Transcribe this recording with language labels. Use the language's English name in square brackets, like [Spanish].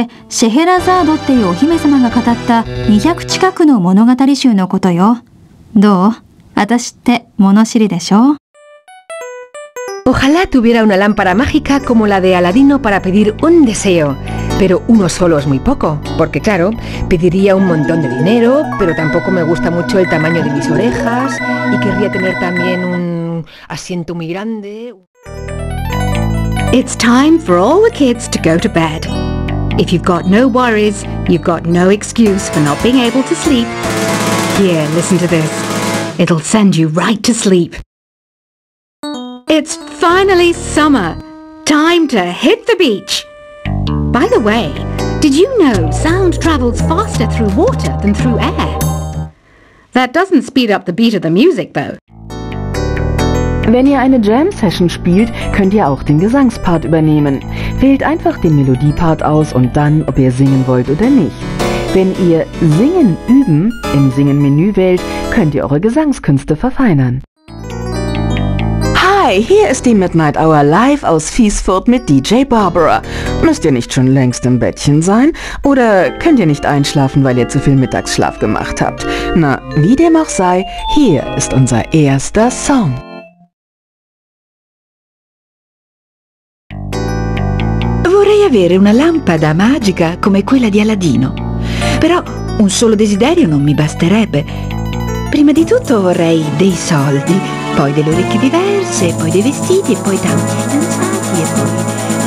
[Japanese] 千夜一夜物語とも言うわ。千一夜にわたってシェヘラザードっていうお姫様が語った 200近くの物語集のことよ。どう?私って物知りでしょ? [Spanish] Ojalá tuviera una lámpara mágica como la de Aladino para pedir un deseo. Pero uno solo es muy poco, porque claro, pediría un montón de dinero, pero tampoco me gusta mucho el tamaño de mis orejas y querría tener también un asiento muy grande. [English] It's time for all the kids to go to bed. If you've got no worries, you've got no excuse for not being able to sleep. Here, listen to this. It'll send you right to sleep. It's finally summer. Time to hit the beach. By the way, did you know sound travels faster through water than through air? That doesn't speed up the beat of the music, though. [German] Wenn ihr eine Jam-Session spielt, könnt ihr auch den Gesangspart übernehmen. Wählt einfach den Melodiepart aus und dann, ob ihr singen wollt oder nicht. Wenn ihr Singen üben im Singen-Menü wählt, könnt ihr eure Gesangskünste verfeinern. Hi, hier ist die Midnight Hour live aus Fiesfurt mit DJ Barbara. Müsst ihr nicht schon längst im Bettchen sein? Oder könnt ihr nicht einschlafen, weil ihr zu viel Mittagsschlaf gemacht habt? Na, wie dem auch sei, hier ist unser erster Song. [Italian] Vorrei avere una lampada magica come quella di Aladino. Però un solo desiderio non mi basterebbe. Prima di tutto vorrei dei soldi, poi delle orecchie diverse, poi dei vestiti e poi tanti fidanzati e poi...